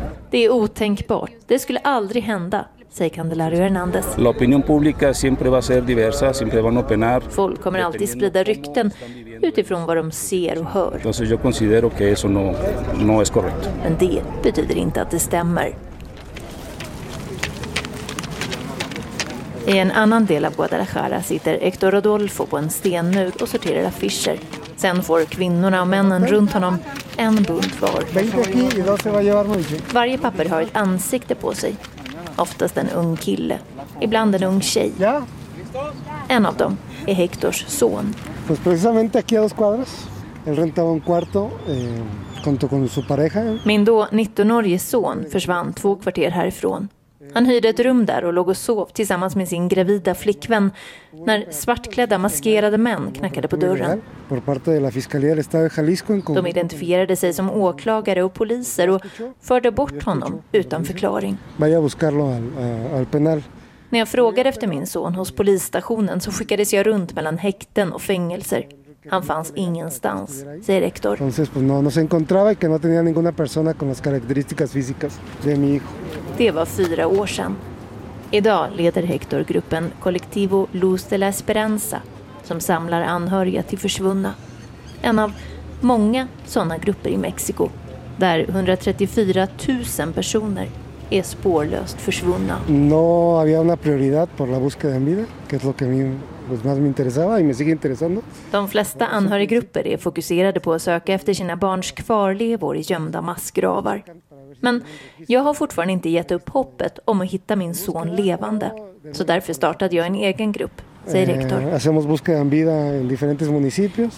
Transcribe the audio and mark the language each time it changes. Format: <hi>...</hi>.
<sv>Det är otänkbart, det skulle aldrig hända. Säger Candelario Hernández.</sv> <es>La opinión pública siempre va a ser diversa, siempre van a opinar.</es> <sv>Folk kommer alltid sprida rykten utifrån vad de ser och hör.</sv> <es>Entonces yo considero que eso no es correcto.</es> <sv>Men det betyder inte att det stämmer. I en annan del av Guadalajara sitter Héctor Rodolfo på en stenmur och sorterar affischer. Sen får kvinnorna och männen runt honom en bunt var. Varje papper har ett ansikte på sig. Oftast en ung kille, ibland en ung tjej. Ja. En av dem är Hectors son.</sv> <es>Pues precisamente aquí a 2 cuadras, él rentaba un cuarto junto con su pareja.</es> <sv>Min då 19-årige son försvann 2 kvarter härifrån. Han hyrde ett rum där och låg och sov tillsammans med sin gravida flickvän när svartklädda maskerade män knackade på dörren.</sv> <es>Por parte de la Fiscalía del Estado de Jalisco.</es> <sv>De identifierade sig som åklagare och poliser och förde bort honom utan förklaring.</sv> <es>Vaya buscarlo al penal.</es> <sv>När jag frågade efter min son hos polisstationen så skickades jag runt mellan häkten och fängelser. Han fanns ingenstans, säger rektor.</sv> <es>Entonces pues no se encontraba y que no tenía ninguna persona con las características físicas de mi hijo.</es> <sv>Det var 4 år sedan. Idag leder Hector gruppen Colectivo Luz de la Esperanza som samlar anhöriga till försvunna. En av många sådana grupper i Mexiko där 134 000 personer är spårlöst försvunna.</sv> <es>No había una prioridad por la búsqueda en vida, que es lo que más me interesaba y me sigue interesando.</es> <sv>De flesta anhöriggrupper är fokuserade på att söka efter sina barns kvarlevor i gömda massgravar. Men jag har fortfarande inte gett upp hoppet om att hitta min son levande. Så därför startade jag en egen grupp, säger rektor.</sv> <es>Hacemos búsqueda en vida en diferentes municipios.</es>